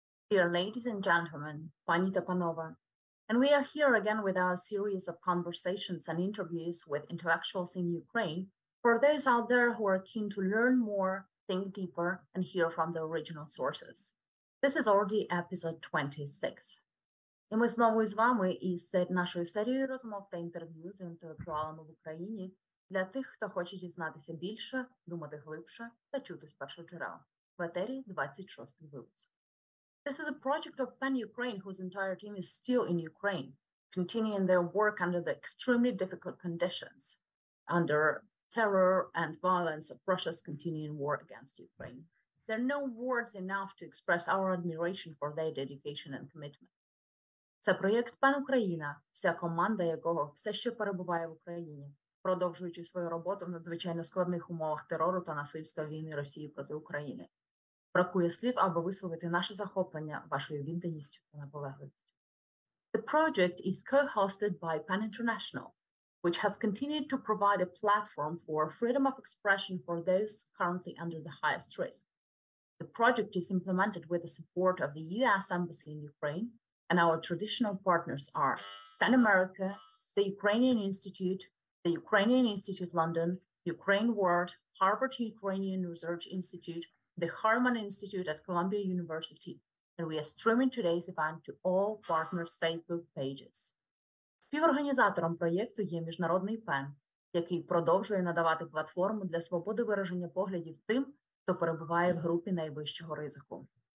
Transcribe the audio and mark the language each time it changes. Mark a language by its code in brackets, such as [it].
[en] Dear ladies and gentlemen, [uk] pani ta panowa, [en] and we are here again with our series of conversations and interviews with intellectuals in Ukraine for those out there who are keen to learn more, think deeper, and hear from the original sources. This is already episode 26. [uk] І ми знову з вами із нашою серією розмов та інтерв'ю з інтелектуалами в Україні для тих, хто хоче дізнатися більше, думати глибше та чути з перших джерел. В етері 26 випуск. [en] This is a project of Pan Ukraine, whose entire team is still in Ukraine, continuing their work under the extremely difficult conditions, under terror and violence of Russia's continuing war against Ukraine. There are no words enough to express our admiration for their dedication and commitment. [uk] Це проєкт «Пан Україна», вся команда якого все ще перебуває в Україні, продовжуючи свою роботу в надзвичайно складних умовах терору та насильства війни Росії проти України. Бракує слів, аби висловити наше захоплення вашою відданістю та наполегливістю. [en] The project is co-hosted by Pan International, which has continued to provide a platform for freedom of expression for those currently under the highest risk. The project is implemented with the support of the US Embassy in Ukraine, and our traditional partners are Pan America, the Ukrainian Institute, the Ukrainian Institute London, Ukraine World, Harvard Ukrainian Research Institute, the Harman Institute at Columbia University, and we are streaming today's event to all partners' Facebook pages. [uk] Співорганізатором проєкту є Міжнародний ПЕН, який продовжує надавати платформу для свободи вираження поглядів тим, хто перебуває в групі найвищого ризику.